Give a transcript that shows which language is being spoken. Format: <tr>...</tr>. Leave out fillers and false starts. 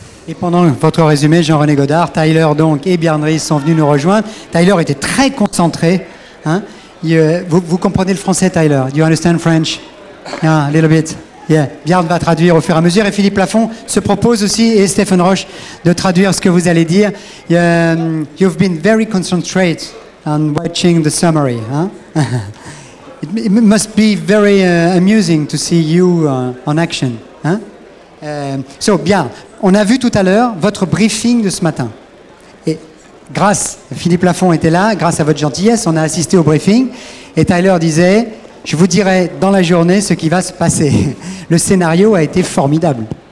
<fr>Et pendant votre résumé, Jean-René Godard, Tyler donc et Bjarne Riis sont venus nous rejoindre. Tyler était très concentré. Hein. Vous comprenez le français, Tyler?</fr> <en>Do you understand French? Yeah, a little bit. Yeah.</en> <fr>Bjarne va traduire au fur et à mesure et Philippe Lafond se propose aussi et Stephen Roche de traduire ce que vous allez dire.</fr> <en>You've been very concentrated on watching the summary. Huh? It must be very amusing to see you on action. Huh?</en> <fr>So Bjarne, on a vu tout à l'heure votre briefing de ce matin. Et grâce, Philippe Lafond était là, grâce à votre gentillesse, on a assisté au briefing et Tyler disait: je vous dirai dans la journée ce qui va se passer. Le scénario a été formidable.</fr>